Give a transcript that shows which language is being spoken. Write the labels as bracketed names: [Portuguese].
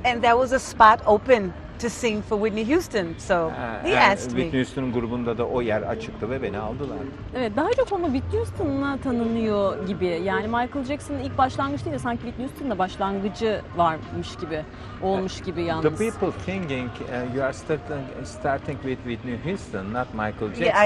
[English] And there was a spot open to sing for Whitney Houston, so he asked me. [Turkish] Whitney Houston'un grubunda da o yer açıktı ve beni aldılar. Evet, daha çok ama Whitney Houston'la tanınıyor gibi. Yani Michael Jackson'ın ilk başlangıcı değil de sanki Whitney Houston'la başlangıcı varmış gibi, olmuş gibi yalnız. [English] The people thinking you are starting with Whitney Houston, not Michael Jackson.